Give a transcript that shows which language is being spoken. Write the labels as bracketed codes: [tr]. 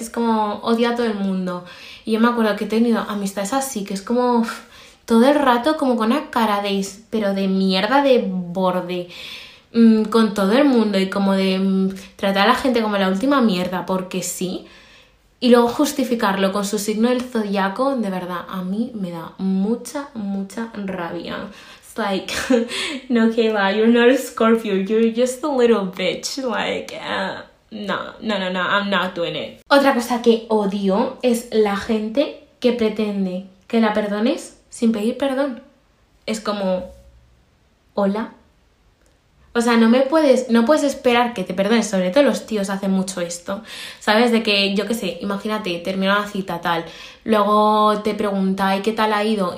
[es] Es como, odio a todo el mundo. Y yo me acuerdo que he tenido amistades así, que es como todo el rato como con una cara de, pero de mierda, de borde con todo el mundo, y como de tratar a la gente como la última mierda porque sí, y luego justificarlo con su signo del zodiaco. De verdad, a mí me da mucha, mucha rabia. [en] It's like, no, Kayla, you're not a Scorpio, you're just a little bitch, like, No, I'm not doing it. [es] Otra cosa que odio es la gente que pretende que la perdones sin pedir perdón. Es como, ¿hola? O sea, no puedes esperar que te perdones. Sobre todo los tíos hacen mucho esto, ¿sabes? De que, yo qué sé, imagínate, termina la cita tal, luego te pregunta, ¿y qué tal ha ido?